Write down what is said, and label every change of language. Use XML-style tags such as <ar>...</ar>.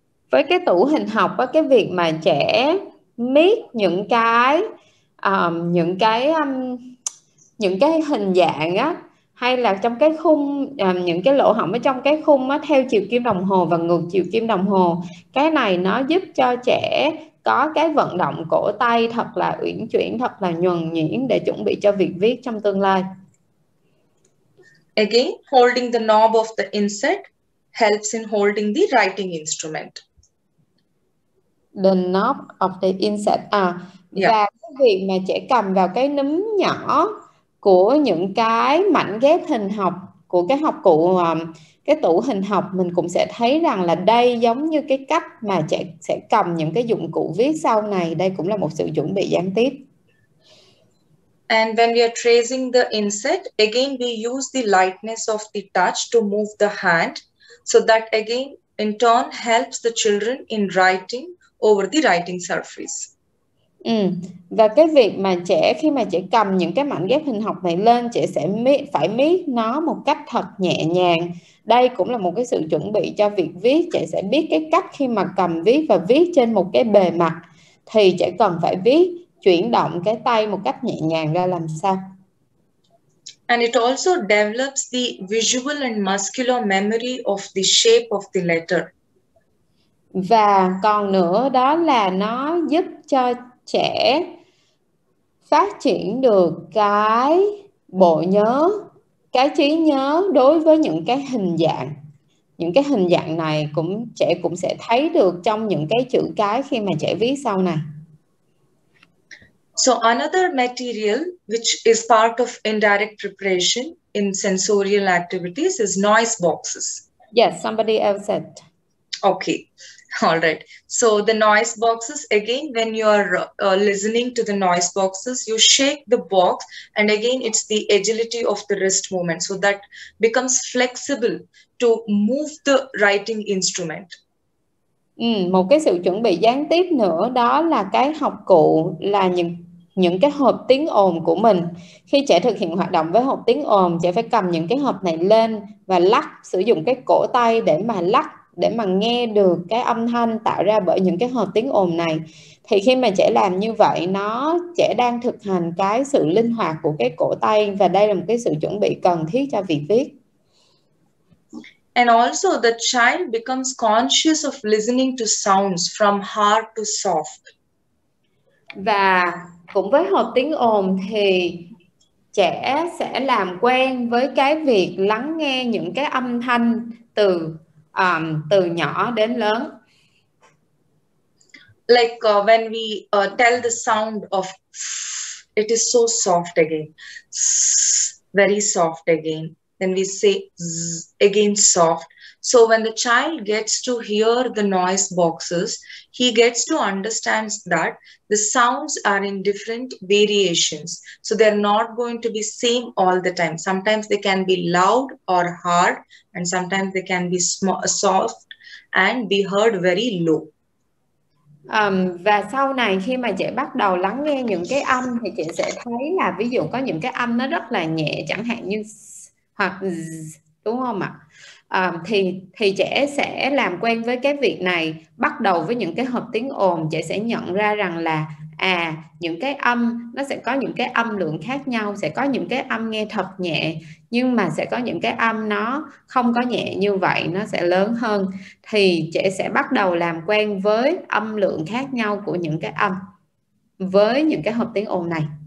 <vi>Với cái tủ hình học á, cái việc mà trẻ miết những cái hình dạng á, hay là trong cái khung những cái lỗ hổng ở trong cái khung á, theo chiều kim đồng hồ và ngược chiều kim đồng hồ, cái này nó giúp cho trẻ có cái vận động cổ tay thật là uyển chuyển, thật là nhuần nhuyễn để chuẩn bị cho việc viết trong tương lai.</vi> <en>Again, holding the knob of the inset helps in holding the writing instrument. The knob of the inset.</en> <vi>Và cái việc mà trẻ cầm vào cái núm nhỏ của những cái mảnh ghép hình học của cái học cụ, cái tủ hình học, mình cũng sẽ thấy rằng là đây giống như cái cách mà trẻ sẽ cầm những cái dụng cụ viết sau này. Đây cũng là một sự chuẩn bị gián tiếp.</vi> <en>And when we are tracing the insect, again, we use the lightness of the touch to move the hand. So that again, in turn, helps the children in writing over the writing surface.</en> <vi>Và cái việc mà trẻ khi mà trẻ cầm những cái mảnh ghép hình học này lên, trẻ sẽ phải miết nó một cách thật nhẹ nhàng. Đây cũng là một cái sự chuẩn bị cho việc viết. Trẻ sẽ biết cái cách khi mà cầm viết và viết trên một cái bề mặt thì trẻ cần phải viết, chuyển động cái tay một cách nhẹ nhàng ra làm sao.</vi> <en>And it also develops the visual and muscular memory of the shape of the letter.</en> <vi>Và còn nữa đó là nó giúp cho trẻ phát triển được cái bộ nhớ, cái trí nhớ đối với những cái hình dạng. Những cái hình dạng này cũng trẻ cũng sẽ thấy được trong những cái chữ cái khi mà trẻ viết sau này.</vi> <en>So another material which is part of indirect preparation in sensorial activities is noise boxes. Yes, somebody else said. Okay. All right. So the noise boxes, again, when you are listening to the noise boxes, you shake the box. And again, it's the agility of the wrist movement. So that becomes flexible to move the writing instrument.</en> <vi>Một cái sự chuẩn bị gián tiếp nữa đó là cái học cụ, là những cái hộp tiếng ồn của mình. Khi trẻ thực hiện hoạt động với hộp tiếng ồn, trẻ phải cầm những cái hộp này lên và lắc, sử dụng cái cổ tay để mà lắc, để mà nghe được cái âm thanh tạo ra bởi những cái hộp tiếng ồn này. Thì khi mà trẻ làm như vậy, nó trẻ đang thực hành cái sự linh hoạt của cái cổ tay, và đây là một cái sự chuẩn bị cần thiết cho việc viết.</vi> <en>And also the child becomes conscious of listening to sounds from hard to soft.</en> <vi>Và cũng với hộp tiếng ồn thì trẻ sẽ làm quen với cái việc lắng nghe những cái âm thanh từ từ nhỏ đến lớn.</vi> <en>Like when we tell the sound of it is so soft again, very soft again. Then we say again soft. So when the child gets to hear the noise boxes, he gets to understand that the sounds are in different variations. So they're not going to be same all the time. Sometimes they can be loud or hard, and sometimes they can be soft and be heard very low.</en> <vi>Và sau này khi mà trẻ bắt đầu lắng nghe những cái âm thì trẻ sẽ thấy là ví dụ có những cái âm nó rất là nhẹ, chẳng hạn như hoặc đúng không ạ? Thì trẻ sẽ làm quen với cái việc này, bắt đầu với những cái hộp tiếng ồn, trẻ sẽ nhận ra rằng là à, những cái âm nó sẽ có những cái âm lượng khác nhau, sẽ có những cái âm nghe thật nhẹ, nhưng mà sẽ có những cái âm nó không có nhẹ như vậy, nó sẽ lớn hơn, thì trẻ sẽ bắt đầu làm quen với âm lượng khác nhau của những cái âm với những cái hộp tiếng ồn này.</vi>